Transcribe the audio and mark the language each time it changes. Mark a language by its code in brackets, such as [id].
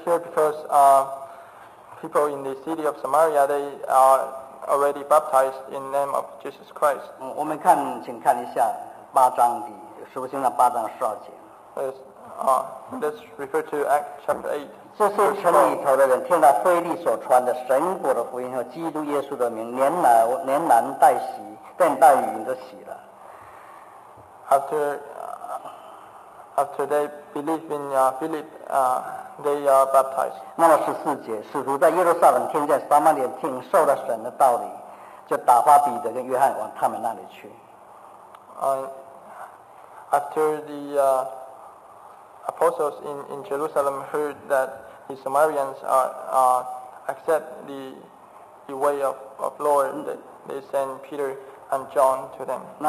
[en] because people in the city of Samaria, they are already baptized in the name of Jesus Christ. [zh] 我们看，请看一下八章的，使徒行传八章十二节。 [en] Let's refer to Acts chapter 8. After they believe in Philip, they are baptized. [zh] 那么14节，使徒在耶路撒冷听见撒玛利亚听受了神的道理，就打发彼得跟约翰往他们那里去。 [en] After the apostles in Jerusalem heard that the Samaritans accept the way of Lord, they sent Peter and John to them.